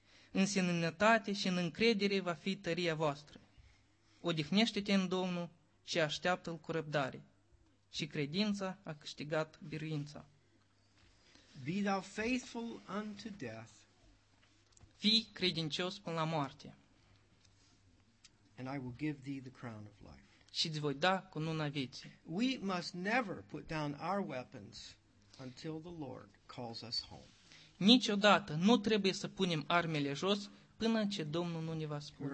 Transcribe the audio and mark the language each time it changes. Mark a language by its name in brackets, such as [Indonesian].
[Romanian] În seninătate și în încredere va fi tăria voastră. Odihnește-te în Domnul și așteaptă-L cu răbdare. Și credința a câștigat biruința. [English] Be thou faithful unto death. [Romanian] Fii credincios până la moarte. [English] And I will give thee the crown of life. [Romanian] Și îți voi da cununa vieții. [English] We must never put down our weapons until the Lord calls us home. [Romanian] Niciodată nu trebuie să punem armele jos până ce Domnul nu ne va spune.